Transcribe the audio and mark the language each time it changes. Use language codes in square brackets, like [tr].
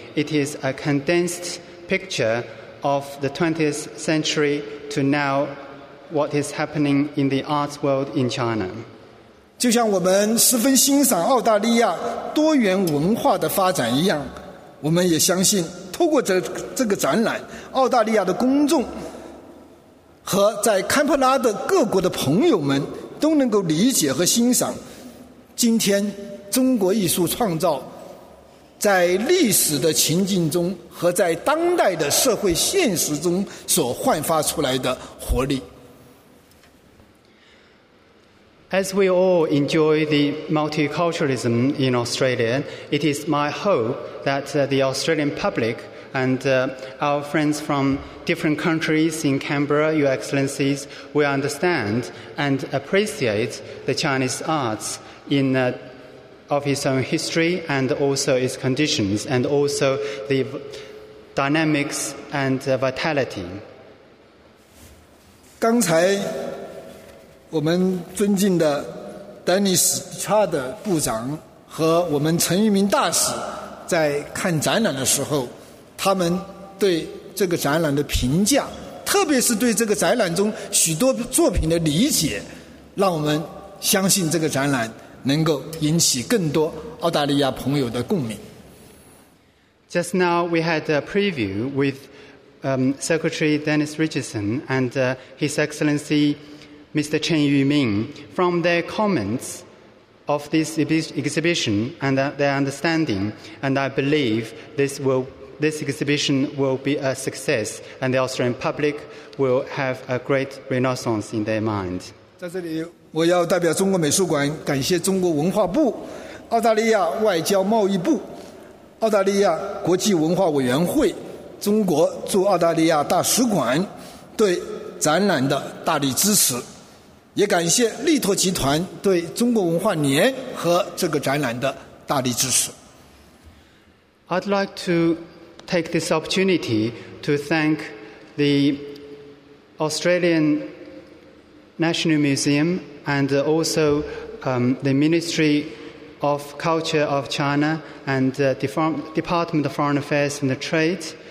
[en] It is a condensed picture of the 20th century to now what is happening in the arts world in China. [zh] 就像我们十分欣赏澳大利亚多元文化的发展一样，我们也相信透过这个展览，澳大利亚的公众和在堪培拉的各国的朋友们都能够理解和欣赏今天中国艺术创造在历史的情境中和在当代的社会现实中所焕发出来的活力。 [en] As we all enjoy the multiculturalism in Australia, it is my hope that the Australian public and our friends from different countries in Canberra, Your Excellencies, will understand and appreciate the Chinese arts in of its own history and also its conditions and also the dynamics and vitality. [zh] 刚才我们尊敬的丹尼斯·查德部长和我们陈玉明大使在看展览的时候，他们对这个展览的评价，特别是对这个展览中许多作品的理解，让我们相信这个展览能够引起更多澳大利亚朋友的共鸣。 [en] Just now we had a preview with Secretary Dennis Richardson and His Excellency Mr. Chen Yuming. From their comments of this exhibition and their understanding, and I believe this exhibition will be a success, and the Australian public will have a great renaissance in their mind. [zh] 在这里，我要代表中国美术馆感谢中国文化部、澳大利亚外交贸易部、澳大利亚国际文化委员会、中国驻澳大利亚大使馆对展览的大力支持，也感谢力拓集团对中国文化年和这个展览的大力支持。 [en] I'd like to take this opportunity to thank the Australian National Museum and also the Ministry of Culture of China and Department of Foreign Affairs and the Trade